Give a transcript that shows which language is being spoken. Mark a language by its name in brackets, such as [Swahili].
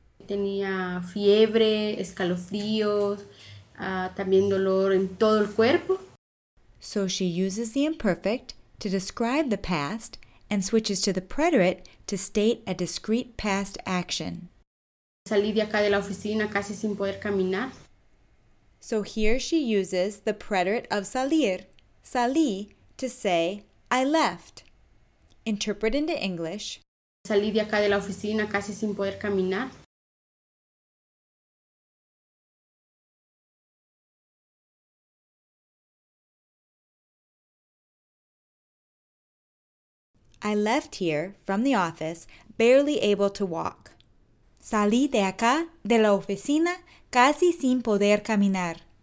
[Spanish] Tenía fiebre, escalofríos, también dolor en todo el cuerpo. [English] So she uses the imperfect to describe the past and switches to the preterite to state a discrete past action. [Spanish] Salí de acá de la oficina casi sin poder caminar. [English] So here she uses the preterite of salir, salí, to say, I left. Interpret into English. [Spanish] Salí de acá de la oficina casi sin poder caminar. [English] I left here from the office barely able to walk. [Spanish] Salí de acá de la oficina casi sin poder caminar.